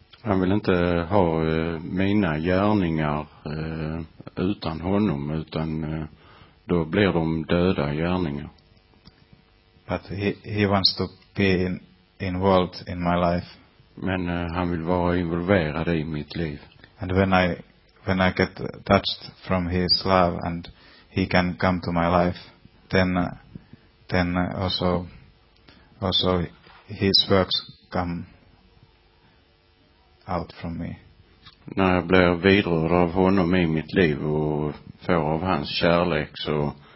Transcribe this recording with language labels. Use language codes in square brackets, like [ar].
[sv] Han vill inte ha mina gärningar utan honom, utan då blir de döda gärningar. [en] But he wants to be involved in my life. [sv] Men han vill vara involverad i mitt liv. [en] And when I get touched from his love and he can come to my life, then also his works come out from me. [sv] När jag blir vidrörd av honom i mitt liv och får av hans kärlek, så